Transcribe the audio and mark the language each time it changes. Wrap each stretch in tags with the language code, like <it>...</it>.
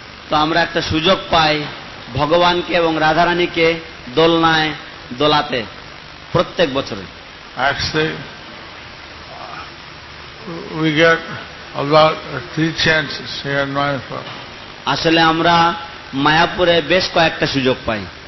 <bn>তো আমরা একটা সুযোগ পাই ভগবানকে এবং রাধারানীকে দোলনায় দোলাতে প্রত্যেক বছরে।</bn> <en>Actually, we get about 3 chances here in Mayapur.</en> <bn>আসলে আমরা মায়াপুরে বেশ কয়েকটা সুযোগ পাই।</bn>